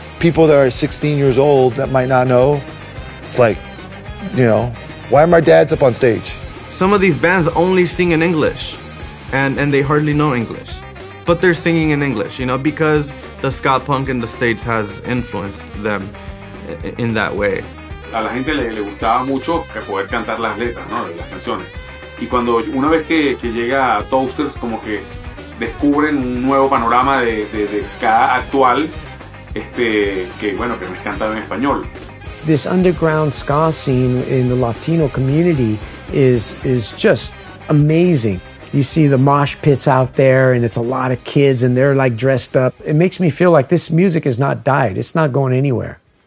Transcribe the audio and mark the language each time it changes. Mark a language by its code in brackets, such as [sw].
[en] People that are 16 years old that might not know, it's like, you know, why are my dads up on stage? Some of these bands only sing in English and they hardly know English, but they're singing in English, you know, because the ska punk in the States has influenced them in that way. [es] A la gente le gustaba mucho poder cantar las letras, ¿no? Las canciones. Y cuando una vez que llega a Toasters, como que descubren un nuevo panorama de ska actual, que bueno, que no es cantado en español. [en] This underground ska scene in the Latino community is just amazing. You see the mosh pits out there, and it's a lot of kids, and they're like dressed up. It makes me feel like this music has not died. It's not going anywhere.